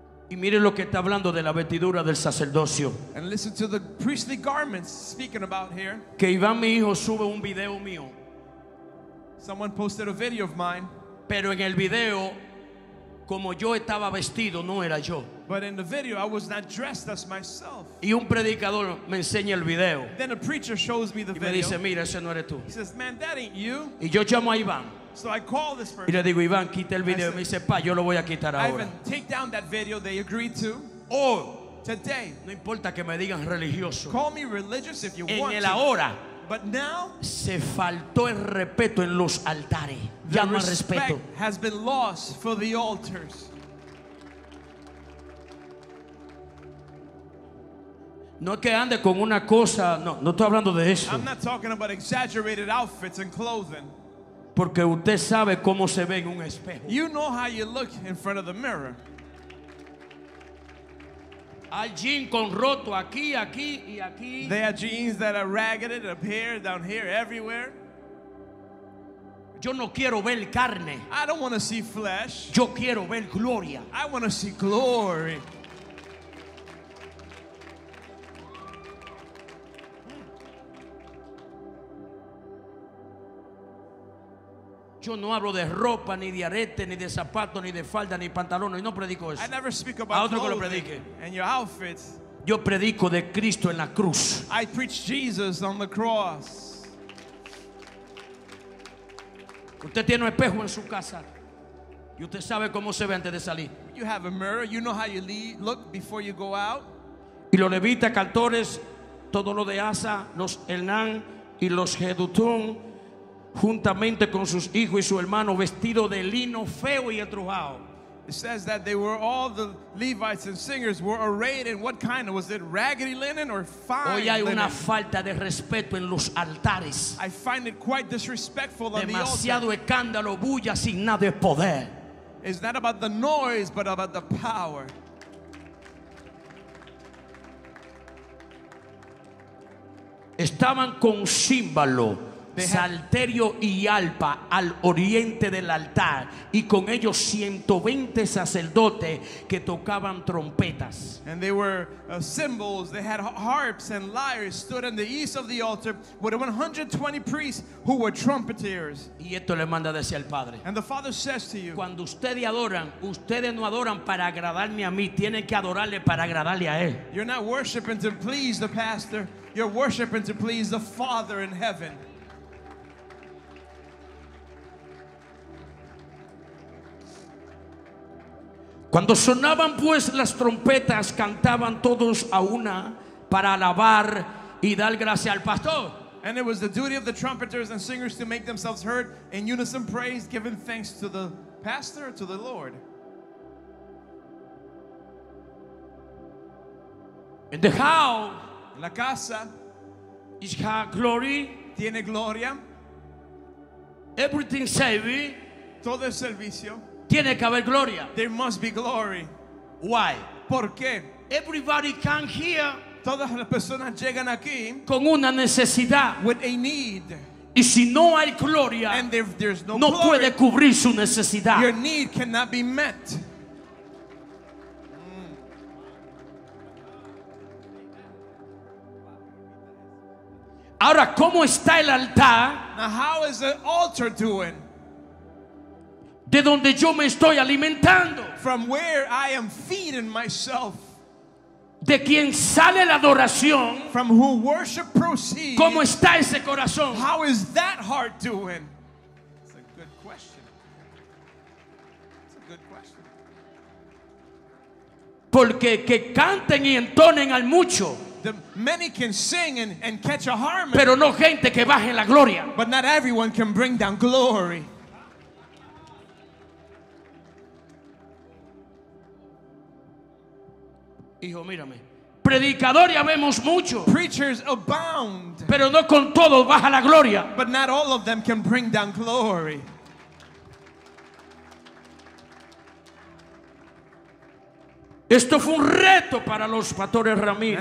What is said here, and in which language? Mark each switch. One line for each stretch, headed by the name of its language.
Spanish: Y mire lo que está hablando de la vestidura del sacerdocio.
English: And listen to the priestly garments speaking about here.
Spanish: Que Iván, mi hijo, sube un video mío.
English: Someone posted a video of mine.
Spanish: Pero en el video, como yo estaba vestido, no era yo.
English: But in the video, I was not dressed as myself.
Spanish: Y un predicador me enseña el video.
English: Then a preacher shows me the
Spanish: y me
English: video.
Spanish: Y dice, mira, ese no eres tú.
English: He says, man, that ain't you.
Spanish: Y yo llamo a Iván.
English: So I call this person.
Spanish: Y le digo, Iván, quita el video. Y me dice, pa, yo lo voy a quitar ahora.
English: Ivan, take down that video they agreed to. Oh, today.
Spanish: No importa que me digan religioso.
English: Call me religious if you
Spanish: en
English: want.
Spanish: En el ahora.
English: But now,
Spanish: se faltó el respeto en los altares. Ya no hay respeto.
English: Has been lost for the altars.
Spanish: No es que ande con una cosa. No estoy hablando de eso.
English: I'm not talking about exaggerated outfits and clothing.
Spanish: Porque usted sabe cómo se ve en un espejo.
English: You know how you look in front of the mirror.
Spanish: Hay jeans con roto aquí, aquí y aquí.
English: There are jeans that are ragged up here, down here, everywhere.
Spanish: Yo no quiero ver carne.
English: I don't want to see flesh.
Spanish: Yo quiero ver gloria.
English: I want to see glory.
Spanish: Yo no hablo de ropa, ni de arete, ni de zapato, ni de falda, ni pantalón. Y no predico eso.
English: I never speak about
Spanish: a otro que lo predique.
English: And your outfits.
Spanish: Yo predico de Cristo en la cruz.
English: I preach Jesus on the cross.
Spanish: Usted tiene un espejo en su casa. Y usted sabe cómo se ve antes de salir.
English: You have a mirror. You know how you look before you go out.
Spanish: Y los levitas, cantores, todo lo de Asa, los Hernán y los Jedutún, juntamente con sus hijos y su hermano, vestido de lino feo y estrujado.
English: It says that they were all the Levites and singers were arrayed in what kind? Was it raggedy linen or fine linen?
Spanish: Hoy hay una falta de respeto en los altares.
English: I find it quite disrespectful on the altar.
Spanish: Demasiado escándalo, bulla sin nada de poder.
English: It's not about the noise, but about the power.
Spanish: Estaban con címbalo, salterio y arpa al oriente del altar, y con ellos 120 sacerdotes que tocaban trompetas.
English: And they were cymbals, they had harps and lyres, stood in the east of the altar with 120 priests who were trumpeters.
Spanish: Y esto le manda decir al Padre.
English: And the Father says to you,
Spanish: cuando ustedes no adoran para agradarme a mí, tienen que adorarle para agradarle a él.
English: You're not worshiping to please the pastor, you're worshiping to please the Father in heaven.
Spanish: Cuando sonaban pues las trompetas, cantaban todos a una para alabar y dar gracia al pastor.
English: And it was the duty of the trumpeters and singers to make themselves heard in unison praise, giving thanks to the pastor, to the Lord. In the house,
Spanish: en la casa,
English: is her glory,
Spanish: tiene gloria.
English: Everything service,
Spanish: todo el servicio. Tiene que haber gloria.
English: There must be glory. Why?
Spanish: ¿Por qué?
English: Everybody can hear.
Spanish: Todas las personas llegan aquí con una necesidad.
English: With a need.
Spanish: Y si no hay gloria,
English: and there's no,
Spanish: no
English: glory,
Spanish: puede cubrir su necesidad.
English: Your need cannot be met.
Spanish: Ahora, ¿cómo está el altar?
English: Now, how is the altar doing?
Spanish: De donde yo me estoy alimentando.
English: From where I am feeding myself.
Spanish: De quien sale la adoración.
English: From whom worship proceeds.
Spanish: ¿Cómo está ese corazón?
English: How is that heart doing? It's a good question. It's a good question.
Spanish: Porque que canten y entonen al mucho.
English: The many can sing and catch a harmony.
Spanish: Pero no gente que baje la gloria.
English: But not everyone can bring down glory.
Spanish: Hijo, mírame. Predicador ya vemos mucho.
English: Preachers abound.
Spanish: Pero no con todos baja la gloria.
English: But not all of them can bring down glory.
Spanish: Esto fue un reto para los pastores Ramírez.